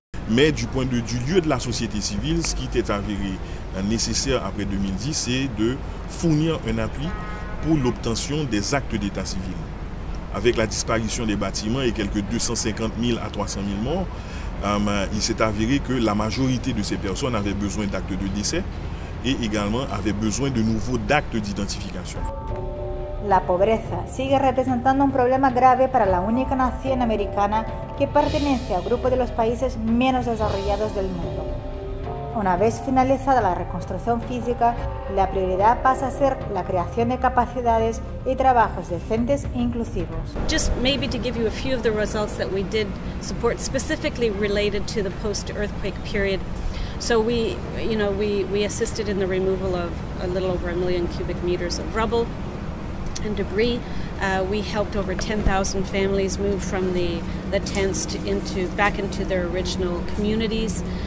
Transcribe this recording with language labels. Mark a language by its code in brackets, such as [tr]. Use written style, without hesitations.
[fr] Mais du point de vue du lieu de la société civile, ce qui était avéré nécessaire après 2010, c'est de fournir un appui pour l'obtention des actes d'état civil. Avec la disparition des bâtiments et quelques 250 000 à 300 000 morts, il s'est avéré que la majorité de ces personnes avaient besoin d'actes de décès et également avaient besoin de nouveaux actes d'identification. [es] La pobreza sigue representando un problema grave para la única nación americana que pertenece al grupo de los países menos desarrollados del mundo. Una vez finalizada la reconstrucción física, la prioridad pasa a ser la creación de capacidades y trabajos decentes e inclusivos. [en] Just maybe to give you a few of the results that we did support specifically related to the post-earthquake period. So we assisted in the removal of a little over 1 million cubic meters of rubble and debris. We helped over 10,000 families move from the tents back into their original communities.